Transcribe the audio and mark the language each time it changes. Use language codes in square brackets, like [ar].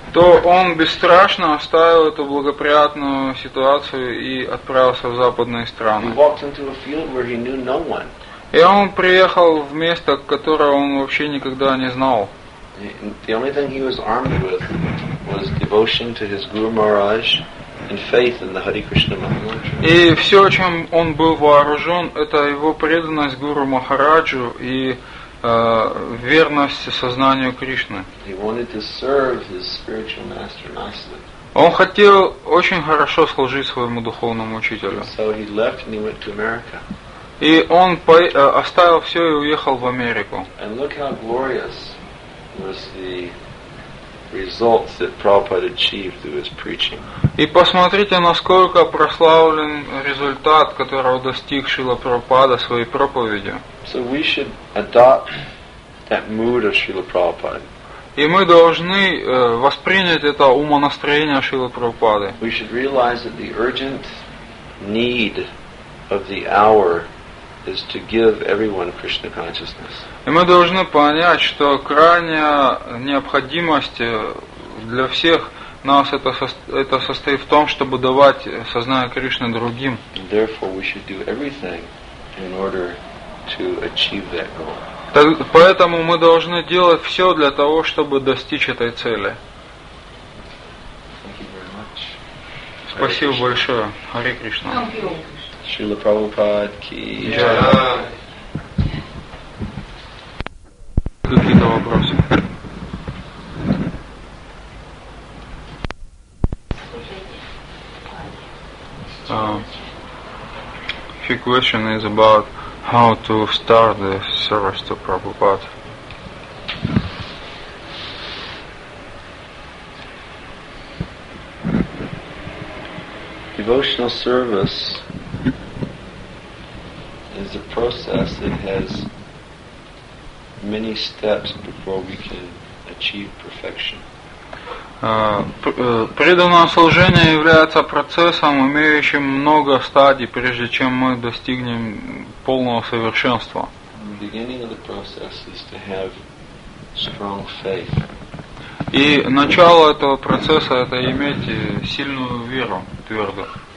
[ru] То он бесстрашно оставил эту благоприятную ситуацию и отправился в западные страны. [en] He walked into a field where he knew no one. [ru] И он приехал в место, которое он вообще никогда не знал. [en] The only thing he was armed with was devotion to his Guru Maharaj and faith in the Hare Krishna Mahamantra. [ru] И все, чем он был вооружен, это его преданность Гуру Махараджу и верность сознанию Кришны. [en] He wanted to serve his spiritual master, Nasada. [ru] Он хотел очень хорошо служить своему духовному учителю. [en] So he left and he went to America. [ru] И он оставил все и уехал в Америку. [en] And look how glorious was the results that Prabhupada achieved through his preaching. [ru] И посмотрите, насколько прославлен результат, которого достиг Шрила Прабхупада своей проповедью. [en] So we should adopt that mood of Srila Prabhupada. [ru] И мы должны воспринять это умонастроение Шрилы Прабхупады. [en] We should realize that the urgent need of the hour is to give everyone Krishna consciousness. [ru] И мы должны понять, что крайняя необходимость для всех нас это состоит в том, чтобы давать сознание Кришны другим. [en] And therefore we should do everything in order to achieve that goal. [ru] Поэтому мы должны делать все для того, чтобы достичь этой цели. [en] Thank you very much. [ru] Спасибо большое. Hare Krishna. [en] Thank you. [hi] Srila Prabhupada ki jai. [ru] Какие-то вопросы? [en] Few question is about how to start the service to Prabhupada. Devotional service is a process that has many steps before we can achieve perfection. [ru] Преданное служение является процессом, имеющим много стадий, прежде чем мы достигнем полного совершенства. [en] The beginning of the process is to have strong faith. [ru] И начало этого процесса – это иметь сильную веру, твердую.